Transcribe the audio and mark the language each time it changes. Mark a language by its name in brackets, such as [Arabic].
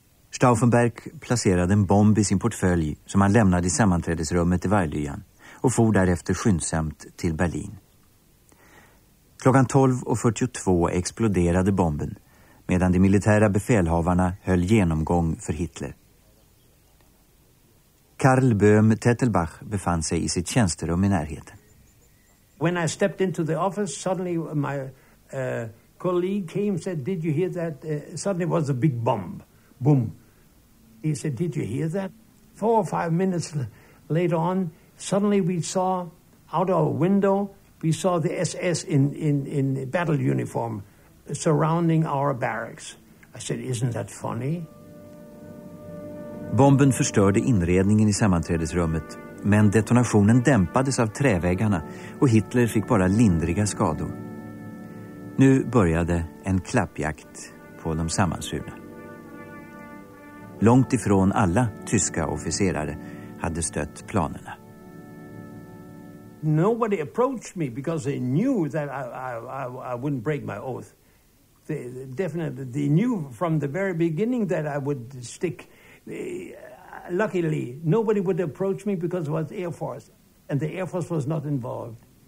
[Swedish] Stauffenberg placerade en bomb i sin portfölj som han lämnade i sammanträdesrummet i Vajlyan och for därefter skyndsamt till Berlin. Klockan 12.42 exploderade bomben medan de militära befälhavarna höll genomgång för Hitler. Karl Böhm Tettelbach befann sig i sitt tjänsterum i närheten. [English] When I stepped into the office, suddenly my colleague came and said, did you hear that? Suddenly was a big bomb. Boom. He said, did you hear that? 4 or 5 minutes later on, suddenly we saw out our window, we saw the SS in battle uniform surrounding our barracks. I said, isn't that funny? [Swedish] Bomben förstörde inredningen i sammanträdesrummet, men detonationen dämpades av träväggarna och Hitler fick bara lindriga skador. Nu började en klappjakt på de sammansvurna. Långt ifrån alla tyska officerare hade stött planerna. [English] Nobody approached me because they knew that I wouldn't break my oath. They knew from the very beginning that I would stick. Luckily, nobody would approach me because it was Air Force, and the Air Force was not involved.